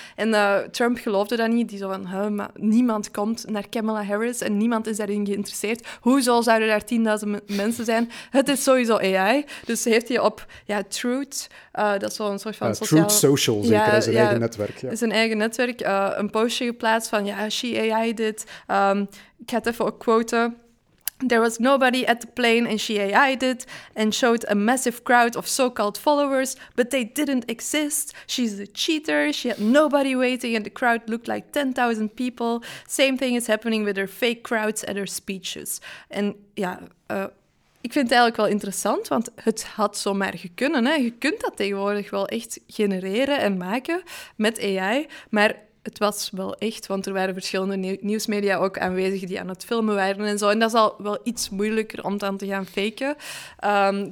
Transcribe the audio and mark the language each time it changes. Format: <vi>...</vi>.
<nl>En Trump geloofde dat niet. Die zo van, maar niemand komt naar Kamala Harris en niemand is daarin geïnteresseerd. Hoezo zouden daar 10.000 mensen zijn? Het is sowieso AI. Dus heeft hij op Truth, dat is wel een soort van sociaal... Truth Social, zeker, eigen netwerk. Ja. Zijn eigen netwerk, een postje geplaatst van,</nl> <en>she AI'd it.</en> <nl>Ik ga het even ook quoten.</nl> <en>There was nobody at the plane and she AI'd it and showed a massive crowd of so-called followers, but they didn't exist. She's a cheater. She had nobody waiting and the crowd looked like 10,000 people. Same thing is happening with her fake crowds and her speeches.</en> <nl>En ja, ik vind het eigenlijk wel interessant, want het had zomaar gekunnen. Hè? Je kunt dat tegenwoordig wel echt genereren en maken met AI, maar... Het was wel echt, want er waren verschillende nieuwsmedia ook aanwezig die aan het filmen waren en zo. En dat is al wel iets moeilijker om dan te gaan faken.</nl>